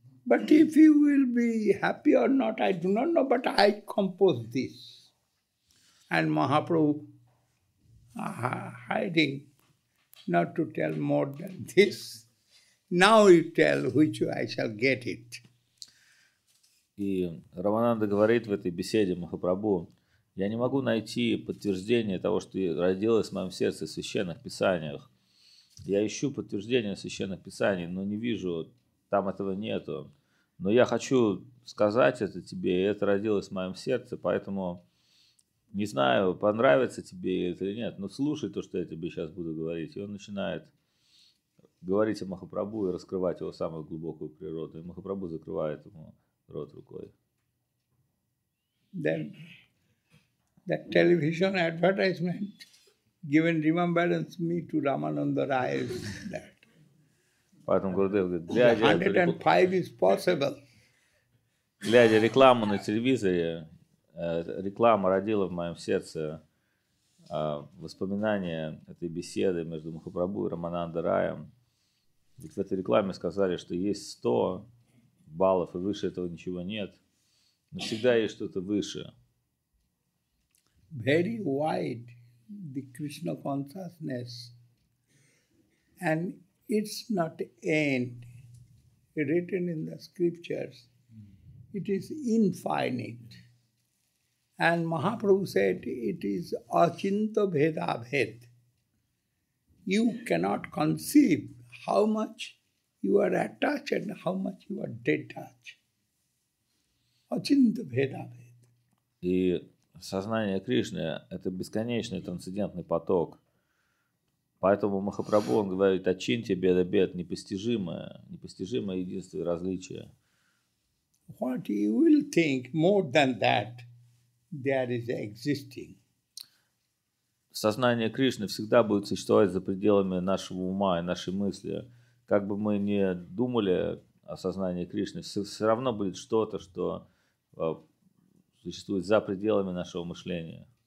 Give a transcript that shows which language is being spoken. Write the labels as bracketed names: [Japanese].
[English] But if you will be happy or not, I do not know, but I compose this. And Mahaprabhu hiding not to tell more than this. Now you tell which I shall get it. [Russian] И Равананда говорит в этой беседе Махапрабху, я не могу найти подтверждение того, что родилось в моем сердце в священных писаниях. Я ищу подтверждение священных писаний, но не вижу, там этого нету. Но я хочу сказать это тебе, и это родилось в моем сердце, поэтому не знаю, понравится тебе это или нет, но слушай то, что я тебе сейчас буду говорить. И он начинает говорить о Махапрабху и раскрывать его самую глубокую природу. И Махапрабху закрывает ему рот рукой. [English] Then that television advertisement given remembrance me to Ramananda Rai is that. [Russian] Поэтому Гурудев говорит, глядя, [English] 105 is possible. [Russian] Глядя рекламу на телевизоре, реклама родила в моем сердце воспоминания этой беседы между Махапрабху и Рамананда Раем. Ведь в этой рекламе сказали, что есть 100 баллов, и выше этого ничего нет. Но всегда есть что-то выше. [English] Very wide the Krishna consciousness. And it's not end written in the scriptures. It is infinite. And Mahaprabhu said it is achinta bheda bhed. You cannot conceive how much you are attached and how much you are detached. Achinta bheda bhed. [Russian] И сознание Кришны – это бесконечный трансцендентный поток. Поэтому Махапрабху, он говорит, ачинтья беда бед, непостижимое, непостижимое единство и различие. [English] What you will think more than that, there is existing. [Russian] Сознание Кришны всегда будет существовать за пределами нашего ума и нашей мысли. Как бы мы ни думали о сознании Кришны, все равно будет что-то, что существует за пределами нашего мышления.